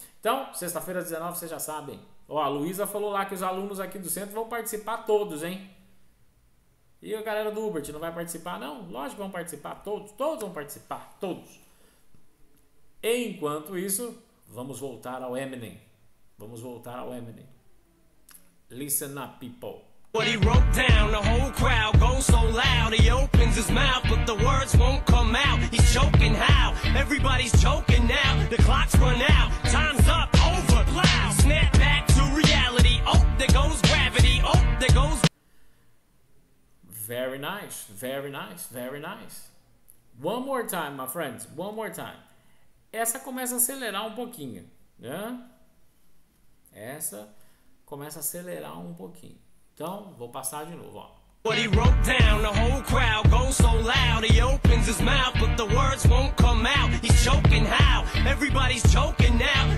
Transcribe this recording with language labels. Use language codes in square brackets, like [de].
[pt] Então, sexta-feira, 19, vocês já sabem. Ó, a Luísa falou lá que os alunos aqui do centro vão participar todos, hein? E a galera do Uber, não vai participar não? Lógico que vão participar todos, todos vão participar, todos. Enquanto isso, vamos voltar ao Eminem. Vamos voltar ao Eminem. [en] Listen up, people. What he wrote down, the whole crowd goes so loud. He opens his mouth, but the words won't come out. He's choking how? Everybody's choking now. The clock's run out. Time's up. Over. Plow. Snap back to reality. Oh, there goes gravity. Oh, there goes. Very nice, very nice, very nice. One more time, my friends. One more time. [pt] Essa começa a acelerar um pouquinho, né? Essa começa a acelerar um pouquinho. Então, vou passar de novo, ó. [en] What he wrote down, the whole crowd goes so loud. He opens his mouth, but the words won't come out. He's choking how? Everybody's choking now.